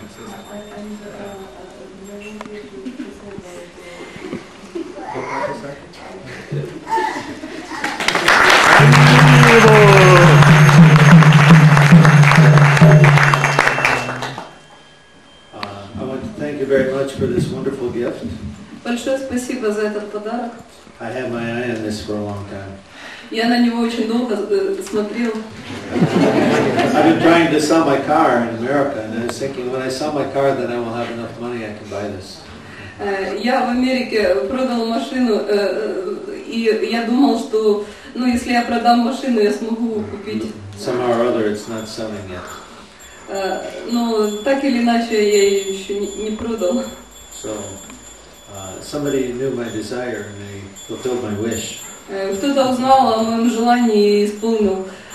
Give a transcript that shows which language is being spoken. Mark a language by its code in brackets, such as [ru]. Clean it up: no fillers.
[en] I want to thank you very much for this wonderful gift. [ru] Большое спасибо за этот подарок. [en] I had my eye on this for a long time. [ru] Я на него очень долго смотрел. [en] I've been trying to sell my car in America, and I was thinking, when I sell my car, then I will have enough money I can buy this. [ru] Я в Америке продал машину, и я думал, что, ну, если я продам машину, я смогу купить. [en] Somehow or other, it's not selling yet. [ru] Но так или иначе, я ее еще не продал. [en] So, somebody knew my desire and they fulfilled my wish. [ru] Кто-то узнал о моем желании и исполнил.